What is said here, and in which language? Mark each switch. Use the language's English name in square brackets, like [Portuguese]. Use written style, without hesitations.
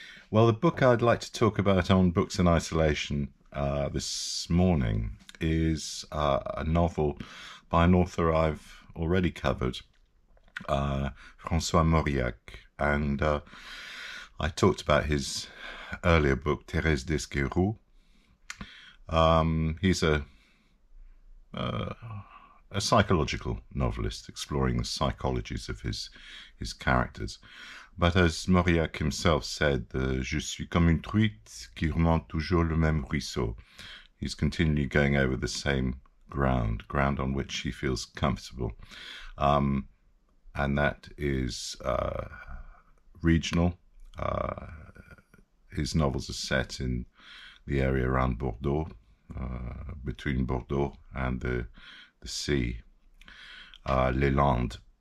[English] Well, the book I'd like to talk about on books in isolation this morning is a novel by an author I've already covered, François Mauriac. And I talked about his earlier book, Thérèse d'Escuro. He's a psychological novelist exploring the psychologies of his characters. But as Mauriac himself said, [French] je suis comme une truite qui remonte toujours le même ruisseau. [English] He's continually going over the same ground on which he feels comfortable. And that is regional. His novels are set in the area around Bordeaux, between Bordeaux and the sea, Les Landes.